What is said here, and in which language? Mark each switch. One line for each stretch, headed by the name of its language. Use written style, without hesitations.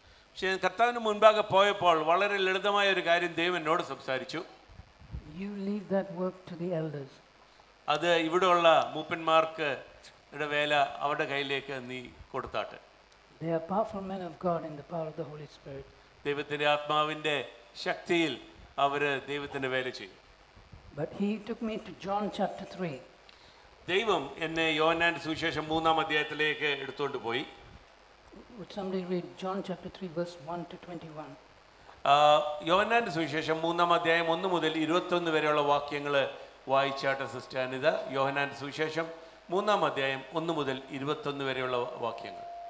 Malayalam: പക്ഷേ കർത്താവിന് മുൻപാകെ പോയപ്പോൾ വളരെ ലളിതമായ ഒരു കാര്യം ദൈവം എന്നോട് സംസാരിച്ചു.
English: You leave that work to the elders.
Malayalam: അത് ഇവിടെയുള്ള മൂപ്പന്മാർക്ക് ഇട വേല അവരുടെ കയ്യിലേക്ക് നീ കൊടുത്താട്ടെ.
English: They are powerful men of God in the power of the Holy Spirit.
Malayalam: ദൈവത്തിന്റെ ആത്മാവിന്റെ ശക്തിയിൽ അവർ ദൈവത്തിന്റെ വേല ചെയ്യും.
English: But he took me to John chapter 3.
Malayalam: ദൈവം എന്നെ യോഹന്നാന്റെ സുവിശേഷം 3-ാം അധ്യായത്തിലേക്ക് എടുത്തുകൊണ്ട് പോയി.
English: Would somebody read John chapter 3 verse 1-21?
Malayalam: യോഹന്നാന്റെ സുവിശേഷം 3-ാം അധ്യായം 1-21 വരെയുള്ള വാക്യങ്ങൾ വായിച്ചാട്ട് സിസ്റ്റർ അനിത. യോഹന്നാന്റെ സുവിശേഷം 3-ാം അധ്യായം 1-21 വരെയുള്ള വാക്യങ്ങൾ.